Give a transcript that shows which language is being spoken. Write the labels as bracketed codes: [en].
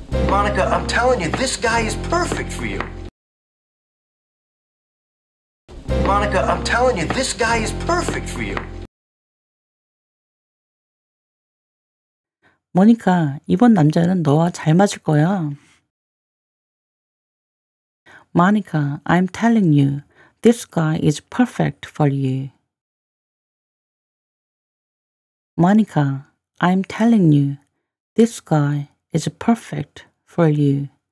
[en] Monica, I'm telling you, this guy is perfect for you. Monica, I'm telling you, this guy is perfect for you. [ko] 모니카, 이번 남자는 너와 잘 맞을 거야. [en] Monica, I'm telling you, this guy is perfect for you. Monica, I'm telling you, this guy is perfect for you.